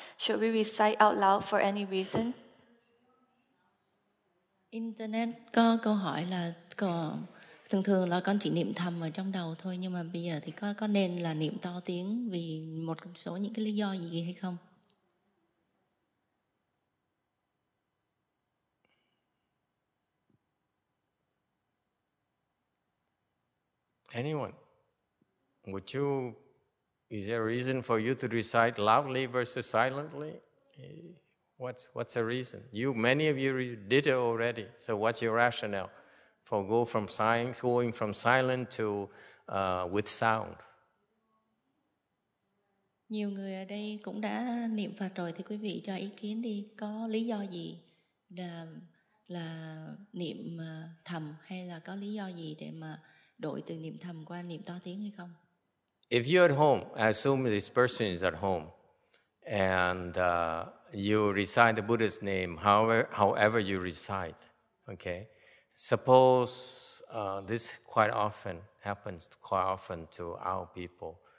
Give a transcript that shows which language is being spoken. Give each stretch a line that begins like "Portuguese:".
English: Should we recite out loud for any reason?
Vietnamese: Internet có câu hỏi là thường thường là con chỉ niệm thầm ở trong đầu thôi, nhưng mà bây giờ thì có nên là niệm to tiếng vì một số những cái lý do gì hay không?
English: Anyone? Would you... Is there a reason for you to recite loudly versus silently? What's the reason? Many of you did it already. So what's your rationale for going from silent to with sound?
Vietnamese: Nhiều người ở đây cũng đã niệm Phật rồi, thì quý vị cho ý kiến đi. Có lý do gì là niệm thầm, hay là có lý do gì để mà đổi từ niệm thầm qua niệm to tiếng hay không?
English: If you're at home, I assume this person is at home, and you recite the Buddha's name however you recite, okay? Suppose this quite often happens quite often to our people.